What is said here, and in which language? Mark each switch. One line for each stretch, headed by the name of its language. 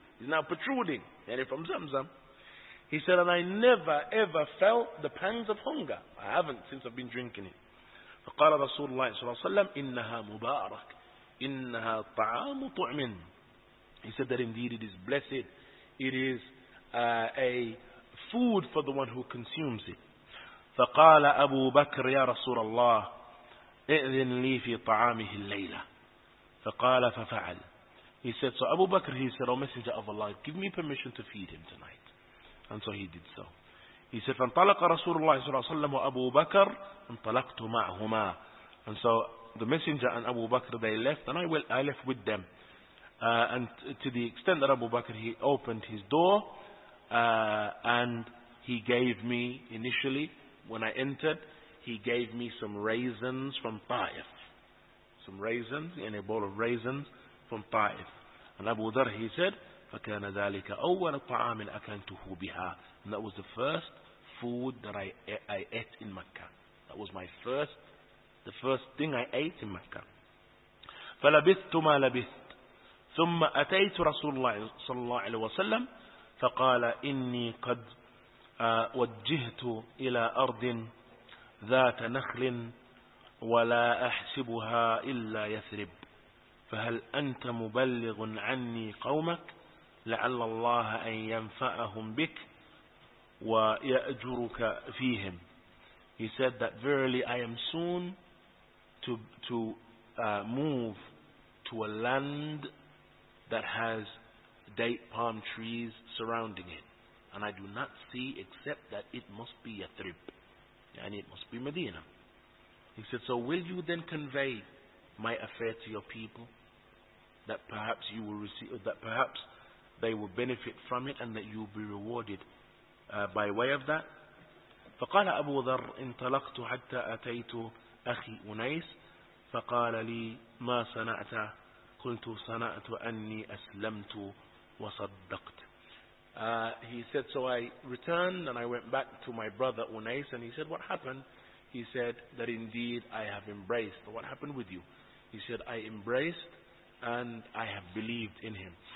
English: It's now protruding, and from Zamzam. He said, and I never ever felt the pangs of hunger. I haven't since I've been drinking it.
Arabic: فقال رسول الله صلى الله عليه وسلم إنها مبارك إنها طعام طعم.
English: He said that indeed it is blessed. It is a food for the one who consumes it.
Arabic: فقال أبو بكر يا رسول الله إذن لي في طعامه الليلة. فقال ففعل.
English: He said, so Abu Bakr, he said, O Messenger of Allah, give me permission to feed him tonight. And so he did so. He said,
Arabic: فانطلق رسول الله صلى الله عليه وسلم وأبو بكر انطلقت معهما.
English: And so the Messenger and Abu Bakr, they left, and I left with them. And to the extent that Abu Bakr, he opened his door, and he gave me initially, when I entered, he gave me some raisins from Taif. Some raisins, and a bowl of raisins from Taif. And Abu Dharr, he said,
Arabic: فَكَانَ ذَلِكَ أَوَّلَ طَعَامٍ أَكَنْتُهُ بِهَا.
English: And that was the first food that I ate in Mecca. That was the first thing I ate in Mecca.
Arabic: فَلَبِثْتُ مَا لَبِثْتُ ثُمَّ أَتَيْتُ رَسُولَ اللَّهِ صَلَّى اللَّهُ عَلَيْهِ وَسَلَّمَ فَقَالَ إِنِّي قَدْ وجهت إلى أرض ذات نخل ولا أحسبها إلا يثرب فهل أنت مبلغ عني قومك لعل الله أن ينفعهم بك ويأجرك فيهم.
English: He said that verily I am soon to move to a land that has date palm trees surrounding it, and I do not see except that it must be Yathrib, and it must be Medina. He said, so will you then convey my affair to your people, that perhaps you will receive, that perhaps they will benefit from it, and that you will be rewarded by way of that?
Arabic: فقال أبو ذر انطلقت حتى أتيت أخي أنيس فقال لي ما صنعت قلت صنعت أني أسلمت وصدقت.
English: He said, so I returned and I went back to my brother Unais, and he said, what happened? He said that indeed I have embraced. What happened with you? He said, I embraced and I have believed in him.